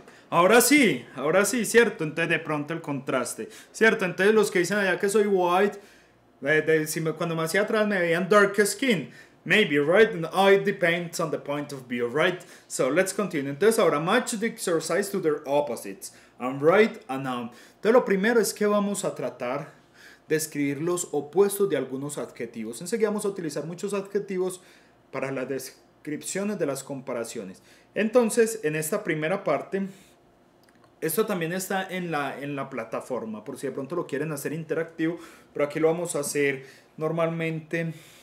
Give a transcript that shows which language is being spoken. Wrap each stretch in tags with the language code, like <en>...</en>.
<es>Ahora sí, cierto. Entonces, de pronto el contraste. Cierto, entonces los que dicen allá que soy white, cuando me hacía atrás me veían dark skin.</es> <en>Maybe, right? No, it depends on the point of view, right? So, let's continue.</en> <es>Entonces, ahora</es> <en>match the exercise to their opposites. I'm right and I'm.</en> <es>Entonces, lo primero es que vamos a tratar de escribir los opuestos de algunos adjetivos. Enseguida vamos a utilizar muchos adjetivos para las descripciones de las comparaciones. Entonces, en esta primera parte, esto también está en la plataforma, por si de pronto lo quieren hacer interactivo, pero aquí lo vamos a hacer normalmente...</es>